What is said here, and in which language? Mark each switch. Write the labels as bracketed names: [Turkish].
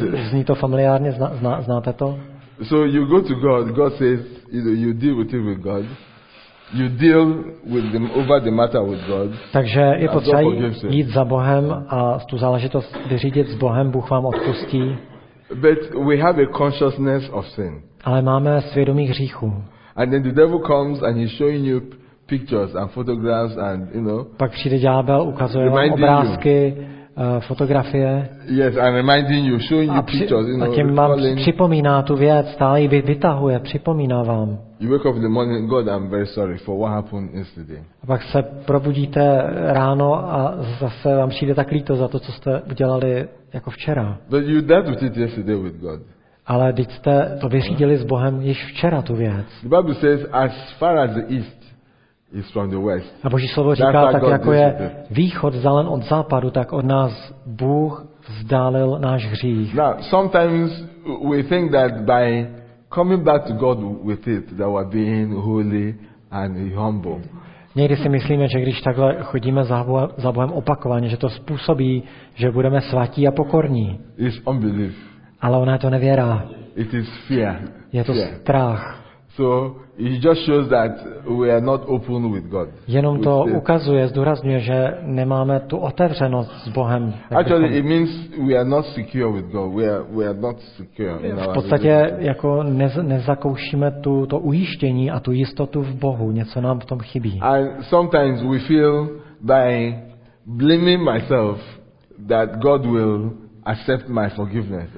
[Czech] Zní to familiárně, znáte to? [English] So you go to God, God says, you deal with it with God. You deal with them over the matter with God. [Czech] Takže je potřeba jít za Bohem a tu záležitost vyřídit s Bohem, Bůh vám odpustí. [English] But we have a consciousness of sin. [Czech] Ale máme svědomí hříchu. [English] And then the devil comes and he's showing you pictures and photographs and, you know. [Czech] Pak přijde ďábel, ukazuje vám obrázky, fotografie. [English] Yes, I'm reminding you, showing you pictures, you know. [Czech] A tím vám připomíná tu věc, stále ji vytahuje, připomíná vám. [English] You wake up in the morning, God, I'm very sorry for what happened yesterday. [Czech] A pak se probudíte ráno a zase vám přijde tak líto za to, co jste udělali jako včera. [English] But you dealt with it yesterday with God. [Czech] Ale teď jste to vyřídili s Bohem již včera tu věc. [English] The Bible says, as far as the east. It's from the west. [Czech] A Boží slovo říká, tak jako je východ vzdálen od západu, tak od nás Bůh vzdálil náš hřích. [English] Now, sometimes we think that by coming back to God with it, that we're being holy and humble. [Czech] Někdy si myslíme, že když takhle chodíme za Bohem opakovaně, že to způsobí, že budeme svatí a pokorní. [English] It's unbelief. [Czech] Ale ona je to nevěra. [English] It is fear. [Czech] Je to strach. [English] So it just shows that we are not open with God. [Czech] Jenom to ukazuje, zdůrazňuje, že nemáme tu otevřenost s Bohem. [English] Actually, it means we are not secure with God. We are not secure. [Czech] V podstatě jako nezakoušíme to ujištění a tu jistotu v Bohu. Něco nám v tom chybí. [English] And sometimes we feel by blaming myself that God will accept my forgiveness.